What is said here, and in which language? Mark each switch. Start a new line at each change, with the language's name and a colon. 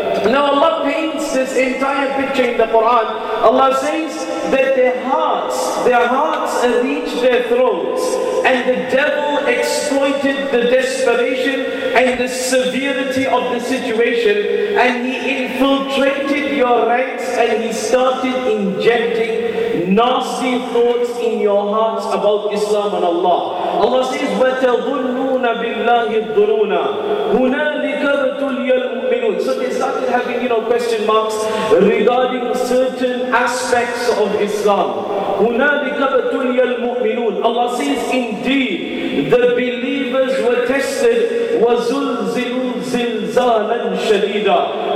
English: Now Allah paints this entire picture in the Quran. Allah says that their hearts reached their throats, and the devil exploited the desperation and the severity of the situation, and he infiltrated your ranks, and he started injecting nasty thoughts in your hearts about Islam and Allah. Allah says,
Arabic: وَتَظُنُّونَ بِاللَّهِ الظُّنُونَ هُنَالِكَ ابْتُلِيَ الْمُؤْمِنُونَ.
English: So they started having, you know, question marks regarding certain aspects of Islam.
Arabic: هُنَالِكَ ابْتُلِيَ الْمُؤْمِنُونَ.
English: Allah says, indeed, the believers were tested.
Arabic: وَزُلْزِلُوا زِلْزَالًا شَدِيدًا.